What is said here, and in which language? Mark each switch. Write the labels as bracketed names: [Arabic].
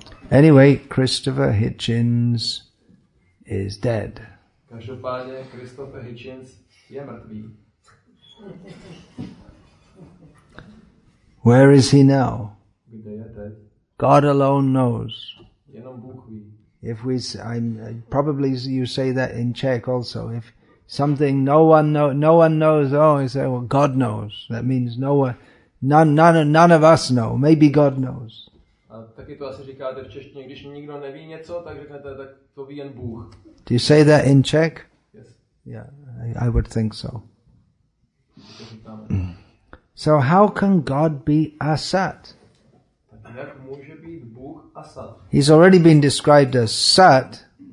[English] Anyway, Christopher Hitchens is dead. [Czech] Každopádně Christopher Hitchens je mrtvý. [English] Where is he now? [Czech] Kde je teď? [English] God alone knows. [Czech] Jenom Bůh ví. [English] If we, I'm probably you say that in Czech also. If something no one knows. Oh, you say, well, God knows. That means no one. None of us know. Maybe God knows. [Czech] A taky to asi říkáte v češtině, když nikdo neví něco, tak řeknete, tak to ví jen Bůh. [English] Do you say that in Czech? Yes. Yeah, I would think so. So how can God be Asat? [Czech] Tak jak může být Bůh Asat? [English] He's already been described as Sat.